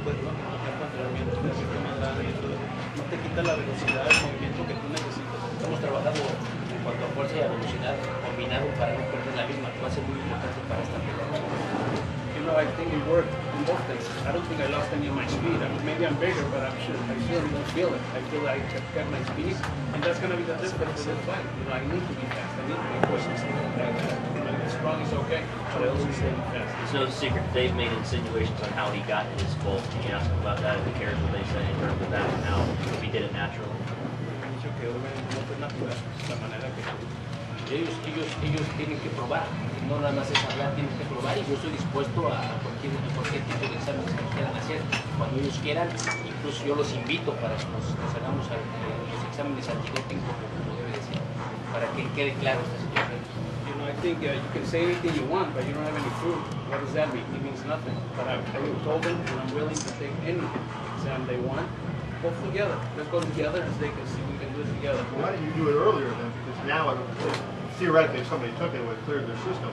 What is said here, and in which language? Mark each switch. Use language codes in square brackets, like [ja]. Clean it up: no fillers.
[es] No te quita la velocidad del movimiento que tú necesitas. Hemos trabajado en cuanto a fuerza y a velocidad combinado para no perder la misma, que va a ser muy importante para esta pelea. [en] I think it worked. in both places. I don't think I lost any of my speed. I mean, maybe I'm bigger, but I'm sure I certainly don't feel it. I feel like I've kept my speed, and that's going to be the difference in the fight. You know, I need to be fast. I need to be pushing. Strong is okay, but I also stay fast. There's no secret. They've made insinuations on how he got his bulk. Can you ask him about that? If he cares what they say in terms of that and how he did it naturally? It's okay. We're going to not do that. It's the manner that we do. [es] Ellos tienen que probar, no nada más es hablar, tienen que probar y yo estoy dispuesto a cualquier tipo de exámenes que quieran hacer. Cuando ellos quieran, incluso yo los invito para que nos hagamos los exámenes antidoping como debe decir, para que quede claro esta situación. [en] You know, I think you can say anything you want, but you don't have any proof. What does that mean? It means nothing. But I told them that I'm willing to take any exam they want. Both together. Let's go together and they can see we can do it together. Well, why didn't you do it earlier then? Because now, theoretically, if somebody took it, it would have cleared their system.